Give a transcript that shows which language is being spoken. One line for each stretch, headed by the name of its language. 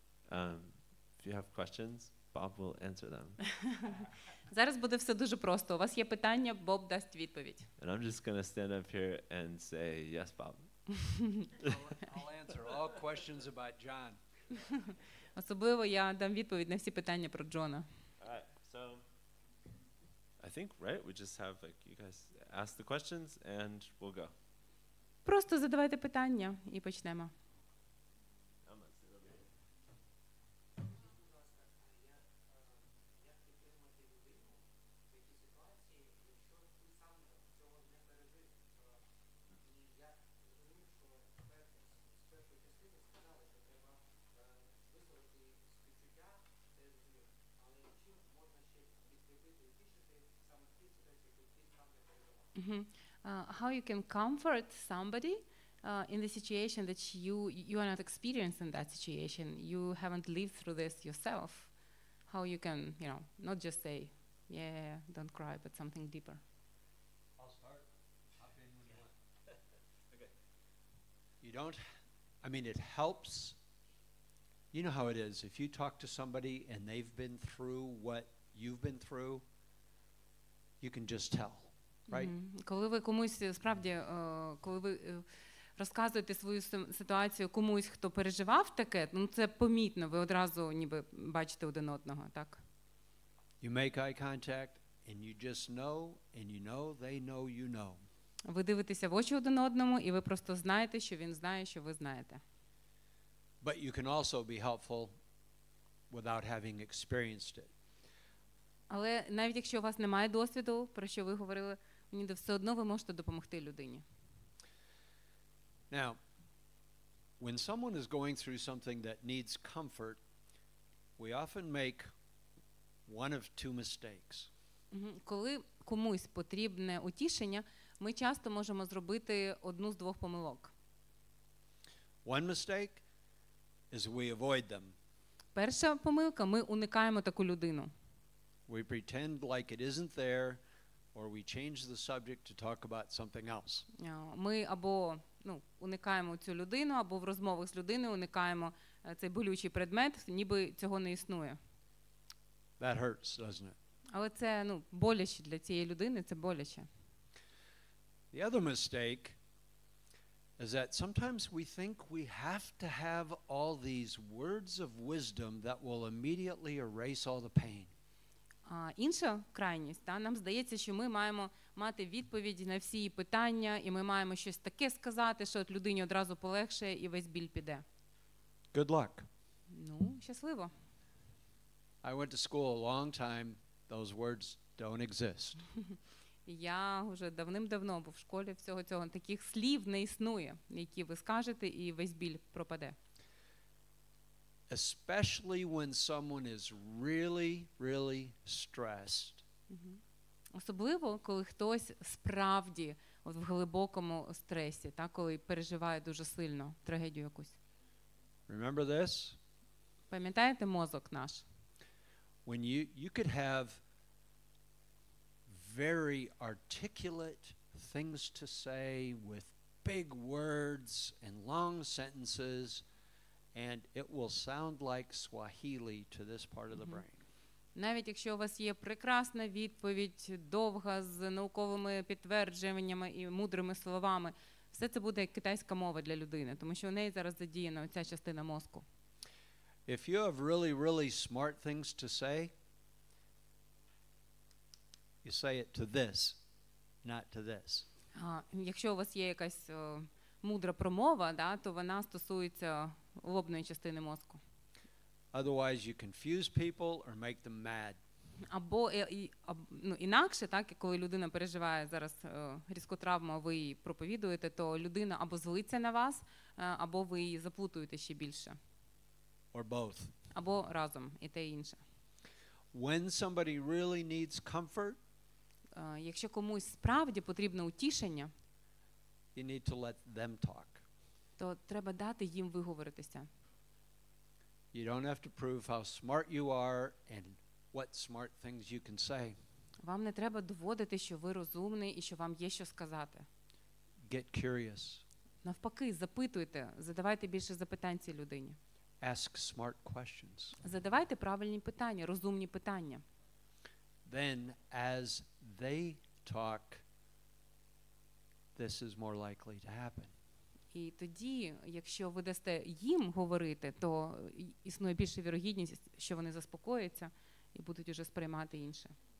English: If you have questions, Bob will answer them.
Ukrainian: Зараз буде все дуже просто. У вас є питання, Боб дасть відповідь.
English: And I'm just gonna stand up here and say yes, Bob. I'll answer all questions about John.
Ukrainian: Особливо я дам відповідь на всі питання про Джона.
English: So, I think, right, we just have, like, you guys ask the questions and we'll go.
Ukrainian: Просто задавайте питання і почнемо.
English: How you can comfort somebody in the situation that you are not experienced in that situation. You haven't lived through this yourself. How you can, you know, not just say, yeah, don't cry, but something deeper. I'll start. Hop in when you want. Okay. You don't, I mean, it helps. You know how it is. If you talk to somebody and they've been through what you've been through, you can just tell. Right.
Ukrainian: Коли ви комусь справді, коли ви розказуєте свою ситуацію комусь, хто переживав таке, ну це помітно, ви одразу ніби бачите один одного, так?
English: You make eye contact and you just know and you know they know you know.
Ukrainian: Ви дивитеся в очі один одному і ви просто знаєте, що він знає, що ви знаєте.
English: But you can also be helpful without having experienced it.
Ukrainian: Але навіть якщо у вас немає досвіду, про що ви говорили, мені де все одно ви можете допомогти людині.
English: Now, when someone is going through something that needs comfort, we often make one of two mistakes.
Ukrainian: Коли комусь потрібне утішення, ми часто можемо зробити одну з двох помилок.
English: One mistake is we avoid them.
Ukrainian: Перша помилка – ми уникаємо таку людину.
English: We pretend like it isn't there, or we change the subject to talk about something else.
Ukrainian: Ми або, ну, уникаємо цю людину, або в розмовах з людиною уникаємо цей болючий предмет, ніби цього не існує.
English: That hurts, doesn't it?
Ukrainian: Але це, ну, боляче для цієї людини, це боляче.
English: The other mistake is that sometimes we think we have to have all these words of wisdom that will immediately erase all the pain.
Ukrainian: Інша крайність, та, нам здається, що ми маємо мати відповіді на всі питання, і ми маємо щось таке сказати, що от людині одразу полегшає, і весь біль піде.
English: Good luck.
Ukrainian: Ну, щасливо.
English: I went to school a long time, those words don't exist.
Ukrainian: Я вже давним-давно був в школі, всього цього, таких слів не існує, які ви скажете, і весь біль пропаде.
English: Especially when someone is really, really stressed.
Ukrainian: Особливо, коли хтось справді от в глибокому стресі, так, коли переживає дуже сильно трагедію якусь.
English: Remember this?
Ukrainian: Пам'ятаєте мозок наш?
English: When you could have very articulate things to say with big words and long sentences, and it will sound like Swahili to this part of the brain.
Ukrainian: Навіть якщо у вас є прекрасна відповідь, довга, з науковими підтвердженнями і мудрими словами, все це буде як китайська мова для людини, тому що у неї зараз задіяна ця частина мозку.
English: If you have really, really smart things to say, you say it to this, not to this.
Ukrainian: Якщо у вас є якась мудра промова, да, то вона стосується лобної частини мозку.
English: Otherwise you confuse people or make them mad.
Ukrainian: Або, ну, інакше, так, коли людина переживає зараз різку травму, ви її проповідуєте, то людина або злиться на вас, або ви її заплутуєте ще більше.
English: Or both.
Ukrainian: Або разом, і те, і інше.
English: When somebody really needs comfort,
Ukrainian: якщо комусь справді потрібне утішення,
English: you need to let them talk.
Ukrainian: То треба дати їм виговоритися.
English: You don't have to prove how smart you are and what smart things you can say.
Ukrainian: Вам не треба доводити, що ви розумний і що вам є що сказати.
English: Get curious.
Ukrainian: Навпаки, запитуйте, задавайте більше запитань цій людині.
English: Ask smart questions.
Ukrainian: Задавайте правильні питання, розумні питання.
English: Then as they talk, this is more likely to happen.
Ukrainian: І тоді, якщо ви дасте їм говорити, то існує більша вірогідність, що вони заспокояться і будуть уже сприймати інше.